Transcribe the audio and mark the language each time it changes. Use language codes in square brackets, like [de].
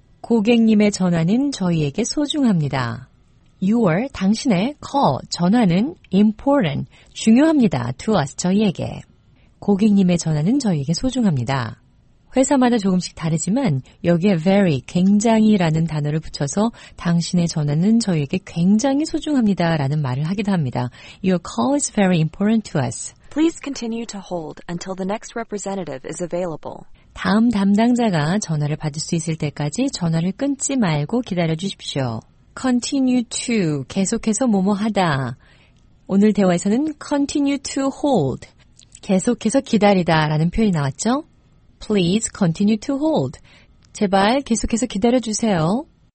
[ko] 고객님의 전화는 저희에게 소중합니다. Your, 당신의 call, 전화는 important, 중요합니다. [en] To us, [ko] 저희에게. 고객님의 전화는 저희에게 소중합니다. 회사마다 조금씩 다르지만 여기에 very, 굉장히라는 단어를 붙여서 당신의 전화는 저희에게 굉장히 소중합니다라는 말을 하기도 합니다. [en] Your call is very important to us. Please continue to hold until the next representative is available. [ko] 다음 담당자가 전화를 받을 수 있을 때까지 전화를 끊지 말고 기다려주십시오. [en] Continue to, [ko] 계속해서 뭐뭐하다. 오늘 대화에서는 [en] continue to hold, [ko] 계속해서 기다리다 라는 표현이 나왔죠? [en] Please continue to hold. [ko] 제발 계속해서 기다려주세요.